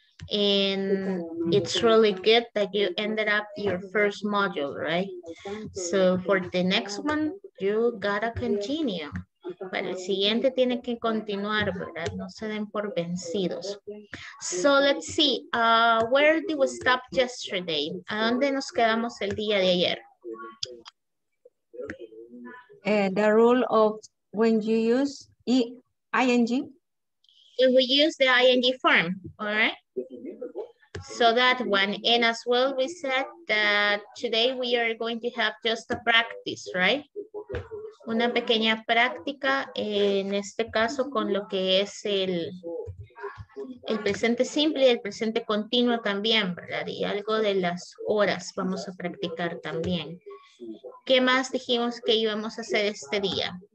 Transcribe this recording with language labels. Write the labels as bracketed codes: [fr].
[en] And it's really good that you ended up your first module, right? So for the next one, you gotta continue. [es] Para el siguiente tiene que continuar, ¿verdad? No se den por vencidos. [en] So let's see, where did we stop yesterday? [es] ¿A dónde nos quedamos el día de ayer? [en] The rule of when you use ing. If we use the ing form, all right? So that one, and as well we said that today we are going to have just a practice, right? [es] Una pequeña práctica, en este caso con lo que es el presente simple y el presente continuo también, ¿verdad? Y algo de las horas vamos a practicar también. ¿Qué más dijimos que íbamos a hacer este día?